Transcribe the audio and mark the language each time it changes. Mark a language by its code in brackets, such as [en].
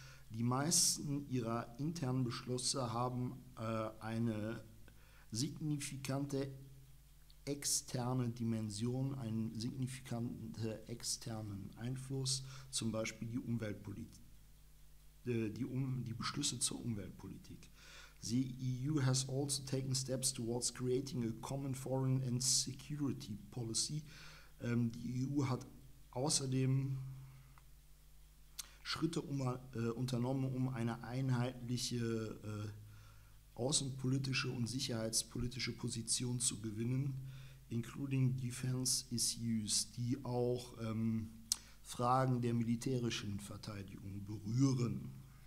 [de] Die meisten ihrer internen Beschlüsse haben eine signifikante externe Dimension, einen signifikanten externen Einfluss, zum Beispiel die Umweltpolitik. Die Beschlüsse zur Umweltpolitik. [en] The EU has also taken steps towards creating a common foreign and security policy. [de] Die EU hat außerdem Schritte unternommen, um eine einheitliche außenpolitische und sicherheitspolitische Position zu gewinnen, [en] including defense issues, [de] die auch Fragen der militärischen Verteidigung berühren.